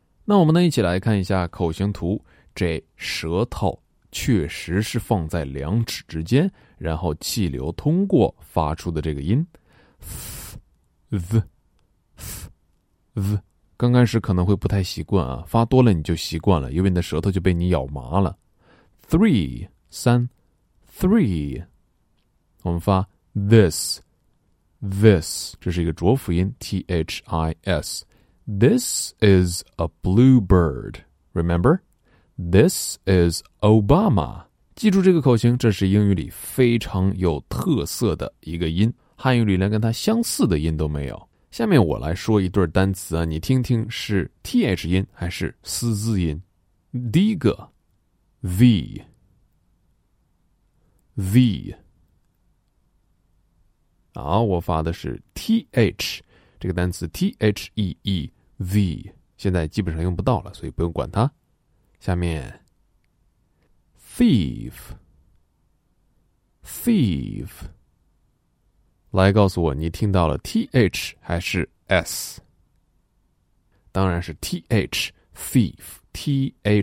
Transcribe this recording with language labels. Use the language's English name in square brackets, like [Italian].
[Chinese] 那我们呢一起来看一下口型图，这舌头确实是放在两齿之间，然后气流通过发出的这个音 th th th。刚开始可能会不太习惯啊，发多了你就习惯了，因为你的舌头就被你咬麻了。 three 三 three， 我们发 this this， 这是一个浊辅音 this。 [English] This is a bluebird, rememberThis is Obama. [Chinese] 记住这个口型，这是英语里非常有特色的一个音，汉语里连跟它相似的音都没有。下面我来说一对单词啊，你听听是 th 音还是思字音。第一个 the, the。好，我发的是 th 这个单词 the the， 现在基本上用不到了，所以不用管它。下面 thief thief， 来告诉我你听到了 th 还是 s。当然是 th thief thief。